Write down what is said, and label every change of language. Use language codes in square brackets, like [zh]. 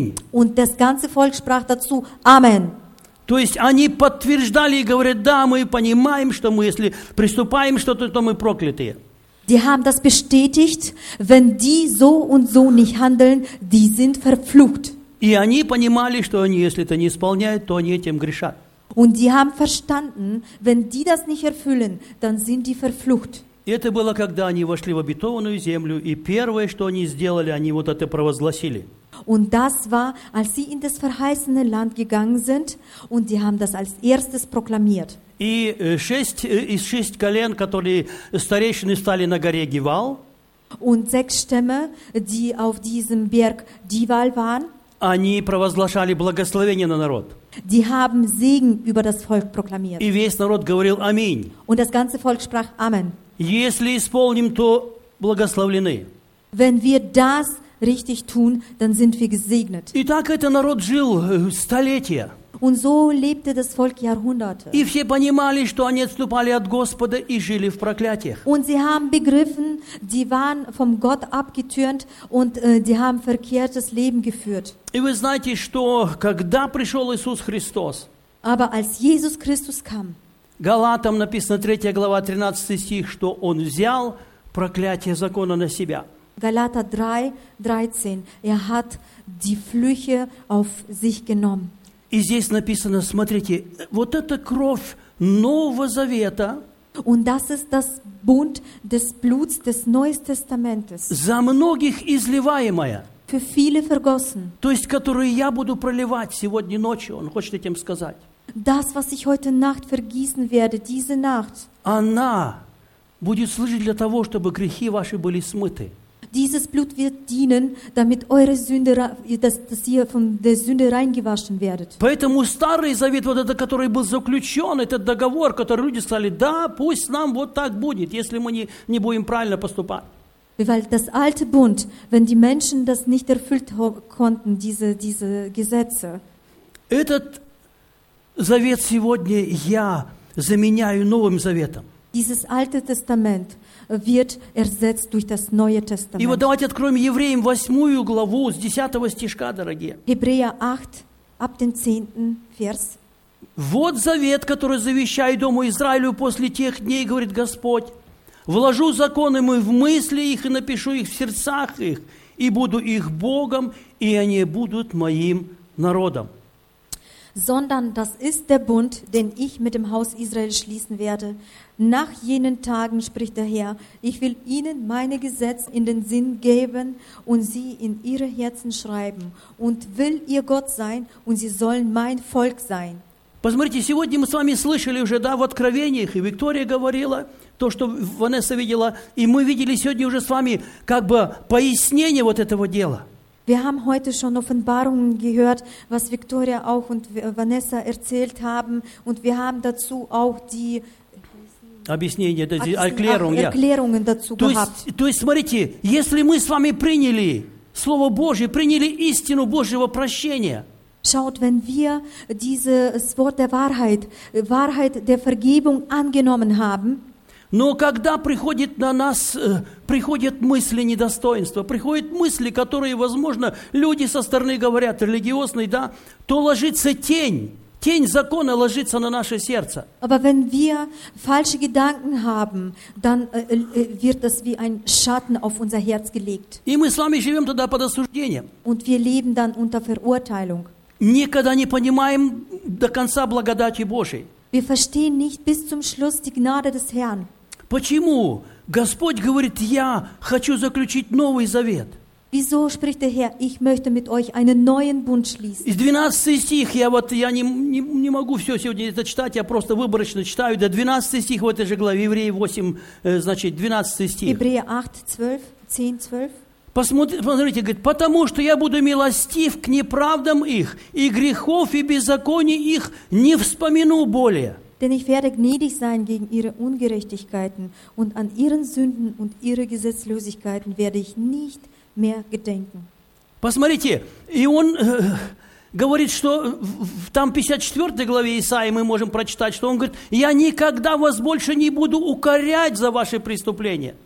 [de] Und das ganze Volk sprach dazu, Amen. [ru] То есть они подтверждали и говорят, да, мы понимаем, что мы, если приступаем что-то, то мы проклятые. [de] Die haben das bestätigt, wenn die so und so nicht handeln, die sind verflucht. [ru] И они понимали, что они, если это не исполняют, то они этим грешат. [de] Und die haben verstanden, wenn die das nicht erfüllen, dann sind die verflucht. [ru] Это было, когда они вошли в обетованную землю, и первое, что они сделали, они вот это провозгласили. [de] Und das war, als sie in das verheißene Land gegangen sind, und die haben das als erstes proklamiert. [ru] И шесть колен, которые старейшины стали на горе Гевал. [de] Und sechs Stämme, die auf diesem Berg Gival waren. [ru] Они провозглашали благословение на народ. [de] Die haben Segen über das Volk proklamiert. [ru] И весь народ говорил «Аминь». [de] Und das ganze Volk sprach «Amen». [ru] Если исполним, то благословлены. [de] Wenn wir das richtig tun, dann sind wir gesegnet. [ru] И так этот народ жил столетия. [de] Und so lebte das Volk Jahrhunderte. [ru] И все понимали, что они отступали от Господа и жили в проклятиях. [de] Und sie haben begriffen, die waren vom Gott abgetürnt und die haben verkehrtes Leben geführt. [ru] И вы знаете, что когда пришел Иисус Христос, [de] aber als Jesus Christus kam, [ru] Галатам написано 3 глава 13 стих, что Он взял проклятие закона на Себя. [de] Galater 3, 13. Er hat die Flüche auf sich genommen. [ru] И здесь написано, смотрите, вот это кровь Нового Завета. [de] Und das ist das Bund des Bluts des Neuen Testamentes. [ru] За многих изливаемая. [de] Für viele vergossen. [ru] То есть, которую я буду проливать сегодня ночью, он хочет этим сказать. [de] Das, was ich heute Nacht vergießen werde, diese Nacht. [ru] Она будет служить для того, чтобы грехи ваши были смыты. [de] Dieses Blut wird dienen, damit eure Sünde, dass ihr von der Sünde reingewaschen werdet. [ru] Поэтому старый завет, вот этот, который был заключен, этот договор, который люди сказали, да, пусть нам вот так будет, если мы не будем правильно поступать. [de] Weil das alte Bund, wenn die Menschen das nicht erfüllt konnten, diese Gesetze. [ru] Этот завет сегодня я заменяю новым заветом. [de] Dieses alte Testament wird ersetzt durch das neue Testament. [ru] И вот давайте откроем Евреям 8 главу с 10 стишка, дорогие. [de] Hebräer 8, ab dem 10. Vers. [ru] Вот завет, который завещаю дому Израилю после тех дней, говорит Господь. Вложу законы мои в мысли их и напишу их в сердцах их, и буду их Богом, и они будут моим народом. [de] Sondern das ist der Bund, den ich mit dem Haus Israel schließen werde. Nach jenen Tagen, spricht der Herr, ich will ihnen meine Gesetze in den Sinn geben und sie in ihre Herzen schreiben und will ihr Gott sein und sie sollen mein Volk sein. [ru] Посмотрите, сегодня мы с вами слышали уже, да, в Откровениях, и Виктория говорила то, что Ванесса видела, и мы видели сегодня уже с вами как бы пояснение вот этого дела. [de] Wir haben heute schon Offenbarungen gehört, was Victoria auch und Vanessa erzählt haben, und wir haben dazu auch die [ru] Объяснение, это [de] Erklärung, Erklärungen dazu [ru] то [de] gehabt. [ru] То есть, смотрите, если мы с вами приняли Слово Божие, приняли истину Божьего прощения, [de] schaut, wenn wir dieses Wort der Wahrheit, Wahrheit der Vergebung angenommen haben, [ru] но когда приходит на нас, приходят мысли недостоинства, приходят мысли, которые, возможно, люди со стороны говорят, религиозные, да, то ложится тень закона ложится на наше сердце. [de] Aber wenn wir falsche Gedanken haben, dann wird das wie ein Schatten auf unser Herz gelegt. [ru] И мы с вами живем тогда под осуждением. [de] Und wir leben dann unter Verurteilung. [ru] Никогда не понимаем до конца благодати Божией. [de] Wir verstehen nicht bis zum Schluss die Gnade des Herrn. [ru] Почему Господь говорит, я хочу заключить новый завет? [de] Wieso spricht der Herr, ich möchte mit euch einen neuen Bund schließen? [ru] И 12 стих, я не могу все сегодня это читать, я просто выборочно читаю, да, 12 стих в этой же главе, Евреи 8, значит, 12 стих. Евреи 8, 12, 10, 12. Посмотрите, говорит, потому что я буду милостив к неправдам их, и грехов, и беззаконий их не вспомину более. [de] Denn ich werde gnädig sein gegen ihre Ungerechtigkeiten, und an ihren Sünden und ihre Gesetzlosigkeiten werde ich nicht mehr gedenken. [ru] Посмотрите, и он говорит, что в там 54 главе Исаии мы можем прочитать, что он говорит, я никогда вас больше не буду укорять за ваши преступления.